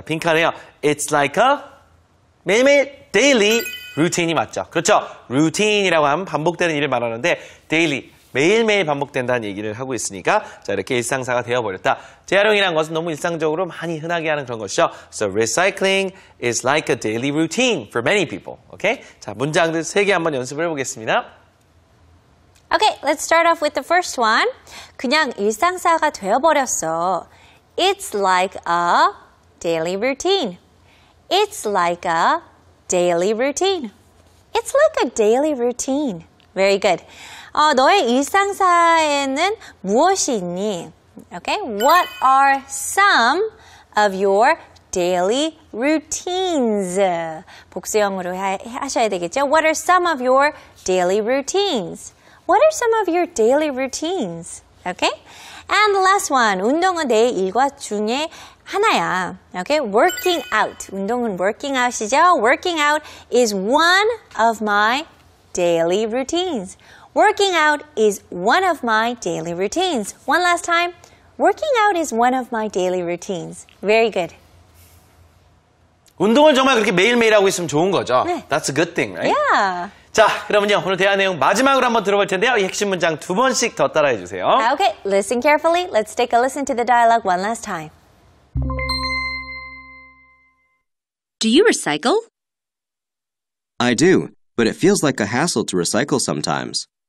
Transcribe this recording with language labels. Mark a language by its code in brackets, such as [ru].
[ko] 빈칸에요. [en] It's like a [ko] 매일매일 daily routine이 맞죠. 그렇죠. routine이라고 하면 반복되는 일을 말하는데 daily, 매일매일 반복된다는 얘기를 하고 있으니까 자 이렇게 일상사가 되어버렸다. 재활용이라는 것은 너무 일상적으로 많이 흔하게 하는 그런 것이죠. [en] So recycling is like a daily routine for many people. Okay? [ko] 자 문장들 세 개 한번 연습을 해보겠습니다. [en] Okay, let's start off with the first one. [ko] 그냥 일상사가 되어버렸어. [en] It's like a daily routine. It's like a daily routine. It's like a daily routine. Very good. [ko] 너의 일상사에는 무엇이 있니? [en] Okay, what are some of your daily routines? [ko] 복수형으로 하셔야 되겠죠? [en] What are some of your daily routines? What are some of your daily routines? Okay? And the last one. [ko] 운동은 내 일과 중에 하나야. [en] Okay? Working out. [ko] 운동은 [en] working out이죠? Working out is one of my daily routines. Working out is one of my daily routines. One last time. Working out is one of my daily routines. Very good. [ko] 운동을 정말 그렇게 매일매일 하고 있으면 좋은 거죠? 네. [en] That's a good thing, right? Yeah. [ko] 자, 그러면요. 오늘 대화 내용 마지막으로 한번 들어볼 텐데요. 이 핵심 문장 두 번씩 더 따라해 주세요. [en] Okay, listen carefully. Let's take a listen to the dialogue one last time. Do you recycle? I do, but it feels like a hassle to recycle sometimes.